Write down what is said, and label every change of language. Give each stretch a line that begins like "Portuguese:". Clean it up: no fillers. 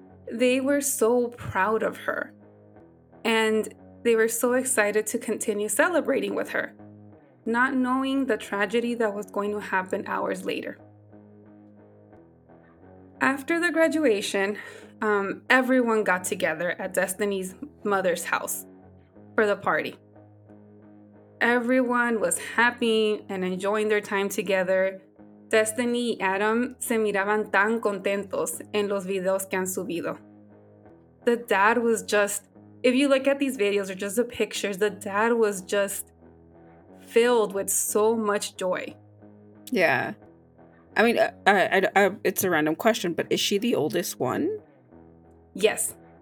English: They were so proud of her, and they were so excited to continue celebrating with her, not knowing the tragedy that was going to happen hours later. After the graduation, everyone got together at Destiny's mother's house for the party. Everyone was happy and enjoying their time together,
Spanish: Destiny y Adam se miraban tan contentos en los videos que han subido.
English: The dad was just, if you look at these videos or just the pictures, the dad was just filled with so much joy. Yeah. I mean, it's a random question, but is she the oldest one? Yes.